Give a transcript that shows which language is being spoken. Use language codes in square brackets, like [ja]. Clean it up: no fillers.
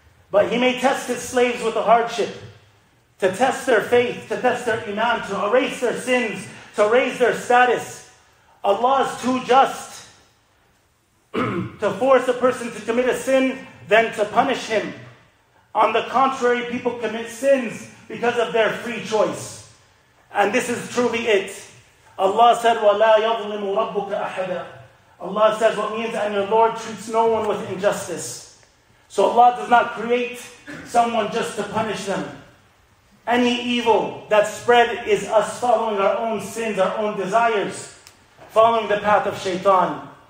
[en] But He may test His slaves with a hardship, to test their faith, to test their iman, to erase their sins, to raise their status. Allah is too just to force a person to commit a sin than to punish him. On the contrary, people commit sins because of their free choice. And this is truly it. Allah said, [ar] وَلَا يَظْلِمُ رَبُّكَ أَحَدًا. [en] Allah says what means, and your Lord treats no one with injustice. So Allah does not create someone just to punish them. Any evil that spread is us following our own sins, our own desires, following the path of shaitan.